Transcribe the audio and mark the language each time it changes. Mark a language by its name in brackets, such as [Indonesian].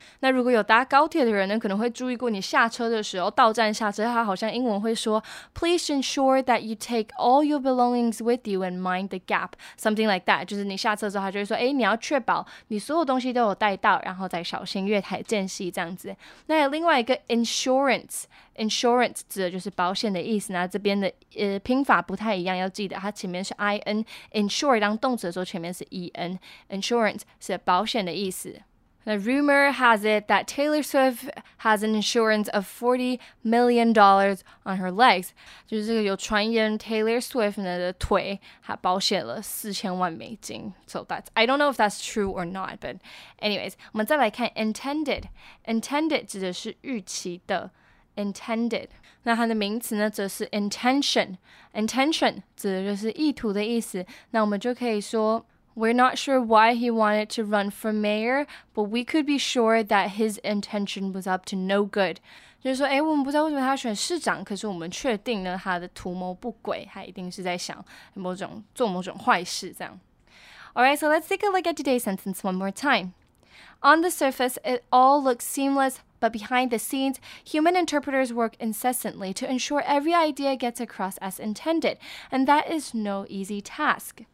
[Chinese] 那如果有搭高铁的人呢，可能会注意过，你下车的时候到站下车，他好像英文会说 ， [English] please ensure that you take all your belongings with you and mind the gap， something like that， [Chinese] 就是你下车之后，他就会说，哎，你要确保你所有东西都有带到，然后再小心月台间隙。这样子，那有另外一个 insurance 指的就是保险的意思。那这边的拼法不太一样，要记得它前面是 in， insure 当动词的时候前面是 en， insurance 是保险的意思。 [English] 那 rumor has it that Taylor Swift has an insurance of $40 million on her legs， [Chinese] 就是这个有传言 Taylor Swift 呢的腿还保险了$ [English] 40 million。 So that's I don't know if that's true or not， but anyways， [Chinese] 我们再来看 intended， intended 指的是预期的 intended。那它的名词呢，则是 intention， intention 指的就是意图的意思。那我们就可以说。 [English] We're not sure why he wanted to run for mayor, but we could be sure that his intention was up to no good. [Chinese] 就是说，哎，我们不知道为什么他要选市长，可是我们确定呢，他的图谋不轨，他一定是在想某种做某种坏事这样。 [English] All right, so let's take a look at today's sentence one more time. On the surface, it all looks seamless, but behind the scenes, human interpreters work incessantly to ensure every idea gets across as intended, and that is no easy task.